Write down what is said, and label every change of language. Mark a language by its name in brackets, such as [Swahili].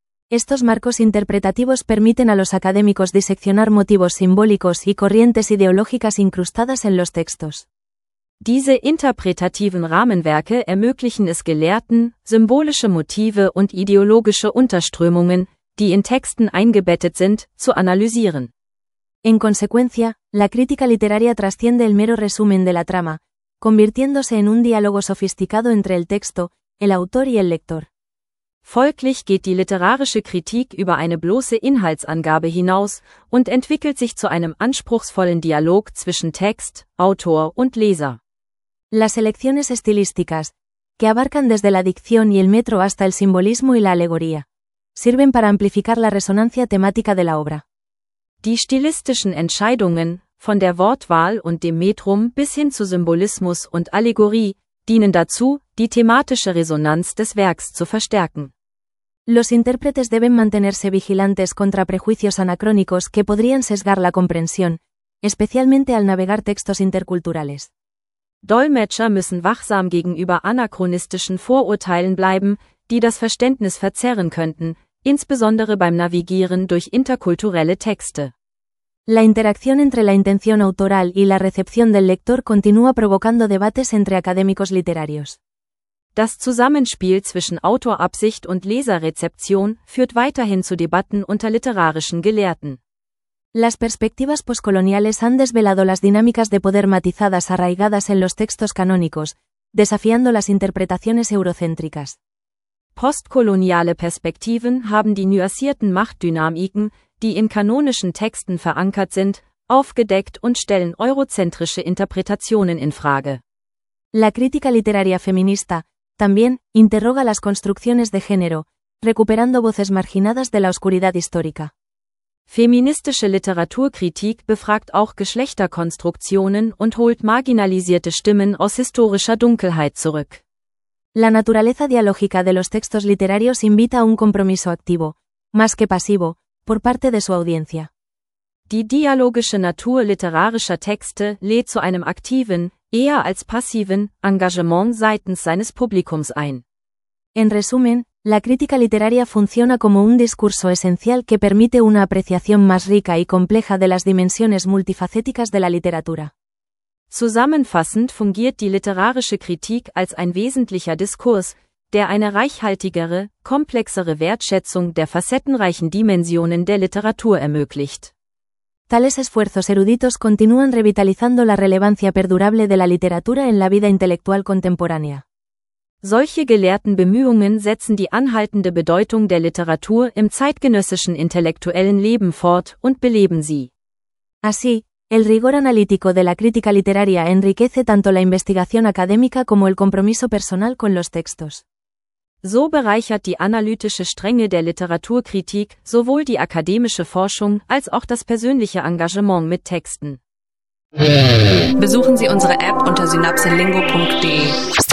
[Spanish] Estos marcos interpretativos permiten a los académicos diseccionar motivos simbólicos y corrientes ideológicas incrustadas en los textos. [German] Diese interpretativen Rahmenwerke ermöglichen es Gelehrten, symbolische Motive und ideologische Unterströmungen, die in Texten eingebettet sind, zu analysieren. [Spanish] En consecuencia, la crítica literaria trasciende el mero resumen de la trama, convirtiéndose en un diálogo sofisticado entre el texto, el autor y el lector. [German] Folglich geht die literarische Kritik über eine bloße Inhaltsangabe hinaus und entwickelt sich zu einem anspruchsvollen Dialog zwischen Text, Autor und Leser. [Spanish] Las elecciones estilísticas, que abarcan desde la dicción y el metro hasta el simbolismo y la alegoría, sirven para amplificar la resonancia temática de la obra. [German] Die stilistischen Entscheidungen, von der Wortwahl und dem Metrum bis hin zu Symbolismus und Allegorie, dienen dazu, die thematische Resonanz des Werks zu verstärken. [Spanish] Los intérpretes deben mantenerse vigilantes contra prejuicios anacrónicos que podrían sesgar la comprensión, especialmente al navegar textos interculturales. [German] Dolmetscher müssen wachsam gegenüber anachronistischen Vorurteilen bleiben, die das Verständnis verzerren könnten, insbesondere beim Navigieren durch interkulturelle Texte. [Spanish] La interacción entre la intención autoral y la recepción del lector continúa provocando debates entre académicos literarios. [German] Das Zusammenspiel zwischen Autorabsicht und Leserrezeption führt weiterhin zu Debatten unter literarischen Gelehrten. [Spanish] Las perspectivas poscoloniales han desvelado las dinámicas de poder matizadas arraigadas en los textos canónicos, desafiando las interpretaciones eurocéntricas. [German] Postkoloniale Perspektiven haben die nuancierten Machtdynamiken, die in kanonischen Texten verankert sind, aufgedeckt und stellen eurozentrische Interpretationen in Frage. [Spanish] La crítica literaria feminista también interroga las construcciones de género, recuperando voces marginadas de la oscuridad histórica. [German] Feministische Literaturkritik befragt auch Geschlechterkonstruktionen und holt marginalisierte Stimmen aus historischer Dunkelheit zurück. [Spanish] La naturaleza dialógica de los textos literarios invita a un compromiso activo, más que pasivo, por parte de su audiencia. [German] Die dialogische Natur literarischer Texte lädt zu einem aktiven, eher als passiven, Engagement seitens seines Publikums ein. [Spanish] En resumen, la crítica literaria funciona como un discurso esencial que permite una apreciación más rica y compleja de las dimensiones multifacéticas de la literatura. [German] Zusammenfassend fungiert die literarische Kritik als ein wesentlicher Diskurs, der eine reichhaltigere, komplexere Wertschätzung der facettenreichen Dimensionen der Literatur ermöglicht. [Spanish] Tales esfuerzos eruditos continúan revitalizando la relevancia perdurable de la literatura en la vida intelectual contemporánea. [German] Solche gelehrten Bemühungen setzen die anhaltende Bedeutung der Literatur im zeitgenössischen intellektuellen Leben fort und beleben sie. [Spanish] Así, el rigor analítico de la crítica literaria enriquece tanto la investigación académica como el compromiso personal con los textos. [German] So bereichert die analytische Strenge der Literaturkritik sowohl die akademische Forschung als auch das persönliche Engagement mit Texten. Besuchen Sie unsere App unter synapsenlingo.de.